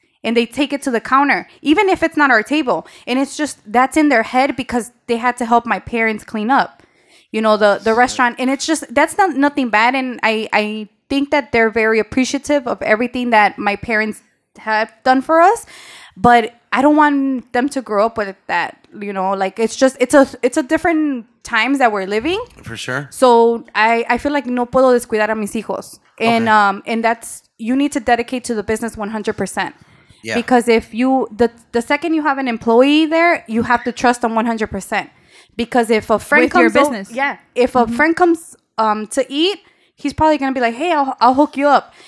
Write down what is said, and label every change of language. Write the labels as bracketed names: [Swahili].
[English] And they take it to the counter, even if it's not our table. And it's just, that's in their head because they had to help my parents clean up, you know, the restaurant. And it's just, that's nothing bad. And I think that they're very appreciative of everything that my parents have done for us. But I don't want them to grow up with that, you know, like it's just, it's a different times that we're living. For sure. [Spanish] So I feel like no puedo descuidar a mis hijos. [English] And okay. And that's, you need to dedicate to the business 100%. Yeah. Because if you, the second you have an employee there, you have to trust them 100%. Because if a friend with comes your business. If a friend comes to eat, he's probably going to be like, hey, I'll hook you up.